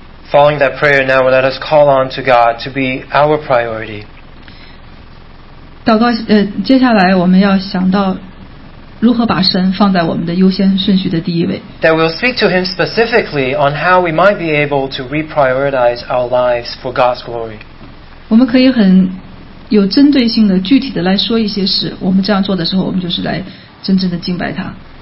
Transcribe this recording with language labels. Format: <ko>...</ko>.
<en>Following that prayer now, let us call on to God to be our priority.</en> <zh>祷告，接下来我们要想到如何把神放在我们的优先顺序的第一位。</zh> <en>That we'll speak to Him specifically on how we might be able to reprioritize our lives for God's glory.</en> <zh>我们可以很有针对性的、具体的来说一些事。我们这样做的时候，我们就是来真正的敬拜他。</zh>